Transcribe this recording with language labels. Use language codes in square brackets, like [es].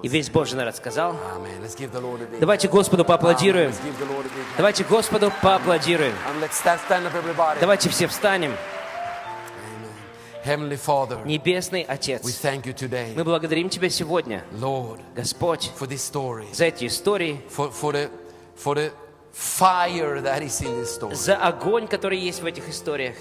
[ru] и весь Божий народ сказал. [en] Amen. Let's give the Lord a big [ru] давайте Господу поаплодируем. [en] Let's give the Lord a big [ru] давайте Господу поаплодируем. [en] And let's stand up everybody. [ru] Давайте все встанем. [en] Amen. Heavenly Father, [ru] Небесный Отец, [en] we thank you today, [ru] мы благодарим Тебя сегодня, [en] Lord, [ru] Господь, [en] for this story, [ru] за эти истории, [en] for the fire that is in this story. [ru] За огонь, который есть в этих историях.